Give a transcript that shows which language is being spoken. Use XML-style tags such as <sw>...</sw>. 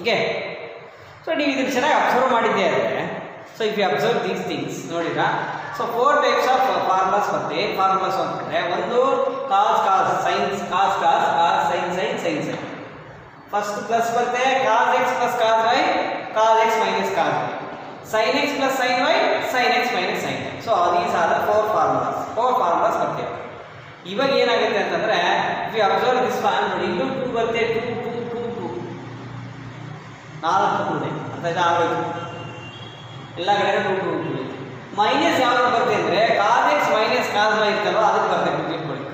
<kn>Okay, so ನೀವು ಇದನ್ನ ಚೆನ್ನಾಗಿ ಅಬ್ಸರ್ವ್ ಮಾಡಿದ್ದೀರಾ.</kn> <en>So if you observe these things</en> <kn>ನೋಡಿದ್ರಾ,</kn> <en>so 4 types of formulas</en> <kn>ಬರ್ತವೆ.</kn> <en>Formulas</en> <kn>ಅಂದ್ರೆ ಒಂದು</kn> <en>cos cos sin cos cos cos sin sin sin sin first plus</en> <kn>ಬರ್ತವೆ,</kn> <en>cos x plus cos y, cos x minus cos y, sin x plus sin y, sin x minus sin y. So these are the 4 formulas.</en> <kn>4 formulas ಬರ್ತವೆ. ಇವಾಗ ಏನಾಗುತ್ತೆ ಅಂತಂದ್ರೆ</kn> <en>if you observe this form</en> <kn>ನೋಡಿ, ಇದು 2 ಬರ್ತವೆ, 2 4 ಬರ್ತದೆ ಅಂತ ಇದು ಆಗೋದು ಎಲ್ಲ ಕಡೆ 2 ಮೈನಸ್ ಯಾವಾಗ ಬರ್ತದೆ ಅಂದ್ರೆ cos x minus cos Y ಇರ್ತಲ್ವಾ ಅದಕ್ಕೆ ಬರ್ತದೆ ಗುರ್ತಿಟ್ಕೊಳ್ಳಿ.</kn>